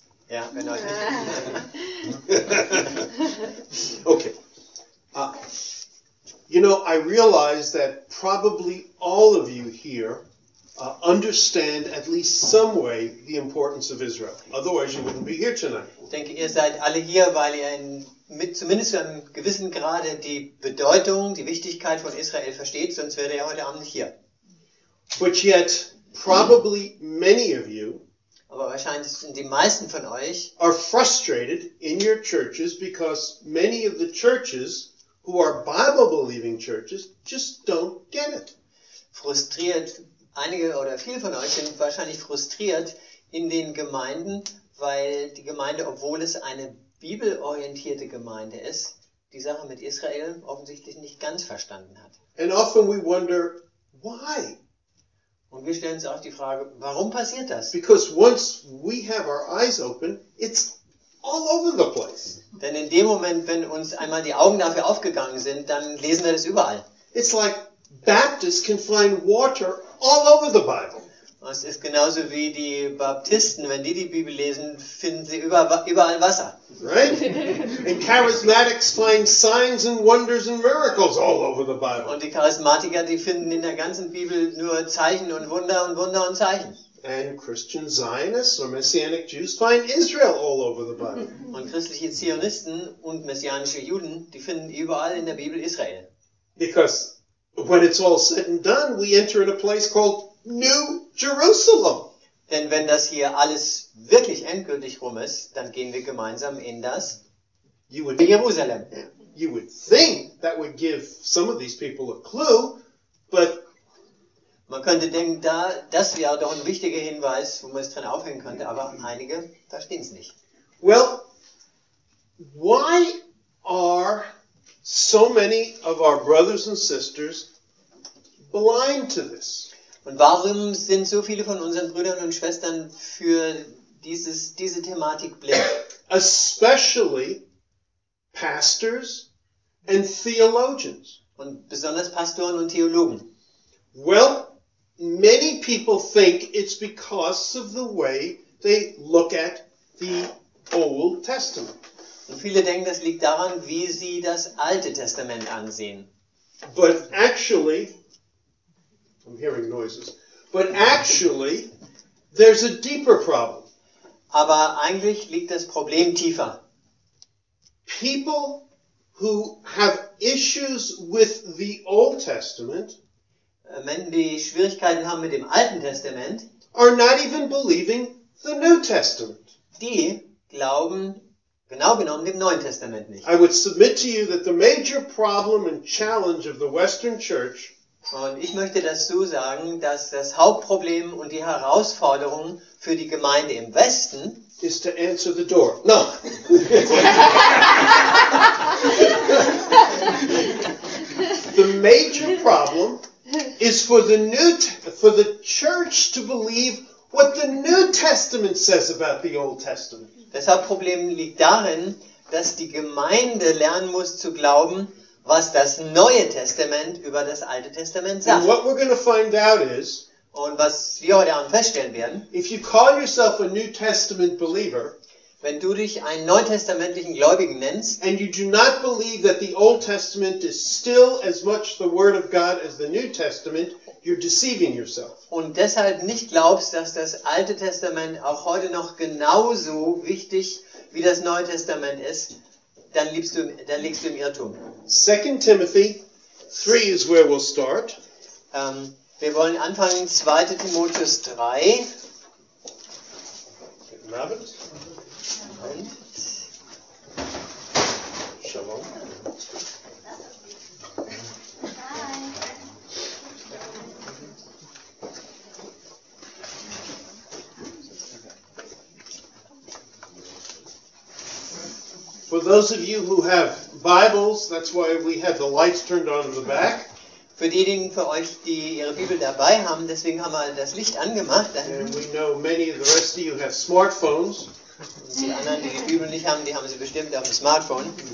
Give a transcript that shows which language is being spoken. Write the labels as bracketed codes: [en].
[en] Yeah, I know. Okay. You know, I realize that probably all of you here understand at least some way the importance of Israel. Otherwise, you wouldn't be here tonight. [de] Ich denke, ihr seid alle hier, weil ihr zumindest zu einem gewissen Grade die Bedeutung, die Wichtigkeit von Israel versteht, sonst wäre er heute Abend nicht hier. [en] But yet, probably many of you [de] aber wahrscheinlich sind die meisten von euch [en] are frustrated in your churches because many of the churches who are Bible-believing churches just don't get it. [de] Frustriert, einige oder viele von euch sind wahrscheinlich frustriert in den Gemeinden, weil die Gemeinde, obwohl es eine bibelorientierte Gemeinde ist, die Sache mit Israel offensichtlich nicht ganz verstanden hat. [en] And often we wonder, why? [de] Und wir stellen uns auch die Frage, warum passiert das? [en] Because once we have our eyes open, it's all over the place. [de] Denn in dem Moment, wenn uns einmal die Augen dafür aufgegangen sind, dann lesen wir das überall. [en] It's like Baptists can find water all over the Bible. [de] Es ist genauso wie die Baptisten, wenn die Bibel lesen, finden sie überall Wasser. [en] Right? And Charismatics find signs and wonders and miracles all over the Bible. [de] Und die Charismatiker, die finden in der ganzen Bibel nur Zeichen und Wunder und Wunder und Zeichen. [en] And Christian Zionists or Messianic Jews find Israel all over the Bible. [de] Und christliche Zionisten und messianische Juden, die finden überall in der Bibel Israel. [en] Because when it's all said and done, we enter in a place called New Jerusalem. [de] Denn wenn das hier alles wirklich endgültig rum ist, dann gehen wir gemeinsam in das Jerusalem. [en] You would think that would give some of these people a clue, but [de] man könnte denken, da das wäre doch ein wichtiger Hinweis, wo man es dran aufhängen könnte, aber einige verstehen es nicht. [en] Well, why are so many of our brothers and sisters blind to this? [de] Und warum sind so viele von unseren Brüdern und Schwestern für diese Thematik blind? [en] Especially pastors and theologians. [de] Und besonders Pastoren und Theologen. [en] Well, many people think it's because of the way they look at the Old Testament. [de] Und viele denken, das liegt daran, wie sie das Alte Testament ansehen. [en] But actually, I'm hearing noises. But actually, there's a deeper problem. [de] Aber eigentlich liegt das Problem tiefer. [en] People who have issues with the Old Testament, [de] Menschen, die Schwierigkeiten haben mit dem Alten Testament, [en] are not even believing the New Testament. [de] Die glauben genau genommen dem Neuen Testament nicht. [en] I would submit to you that the major problem and challenge of the Western Church. [de] Und ich möchte dazu sagen, dass das Hauptproblem und die Herausforderung für die Gemeinde im Westen ist, [en] to answer the door. No. The major problem is for the church to believe what the New Testament says about the Old Testament. [de] Das Hauptproblem liegt darin, dass die Gemeinde lernen muss zu glauben, was das Neue Testament über das Alte Testament sagt. [en] And what we're going to find out is, [de] und was wir heute Abend feststellen werden, [en] if you call yourself a New Testament believer, [de] wenn du dich einen neutestamentlichen Gläubigen nennst, [en] and you do not believe that the Old Testament is still as much the Word of God as the New Testament, you're deceiving yourself. [de] Und deshalb nicht glaubst, dass das Alte Testament auch heute noch genauso wichtig wie das Neue Testament ist, dann liegst du im Irrtum. [en] 2 Timothy 3 is where we'll start. [de] Wir wollen anfangen, 2. Timotheus 3. Guten Abend. [he] Shalom. [en] For those of you who have Bibles, that's why we have the lights turned on in the back. [de] Für diejenigen von euch, die ihre Bibel dabei haben, deswegen haben wir das Licht angemacht. [en] And we know many of the rest of you have smartphones. [de] Und die anderen, die die Bibel nicht haben, die haben sie bestimmt auf dem Smartphone.